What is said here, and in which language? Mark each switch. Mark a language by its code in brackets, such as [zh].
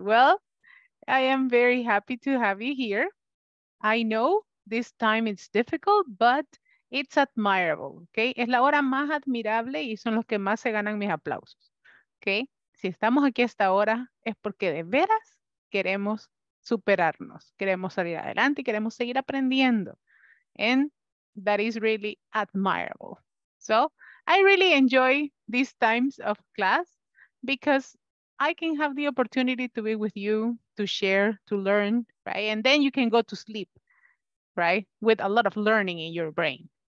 [en] Well, I am very happy to have you here. I know this time it's difficult, but it's admirable. Okay. [es] Es la hora más admirable y son los que más se ganan mis aplausos. Okay. Si estamos aquí hasta ahora es porque de veras queremos superarnos, queremos salir adelante y queremos seguir aprendiendo. [en] And that is really admirable. So I really enjoy these times of class because I can have the opportunity to be with you, to share, to learn, right? And then you can go to sleep, right? With a lot of learning in your brain.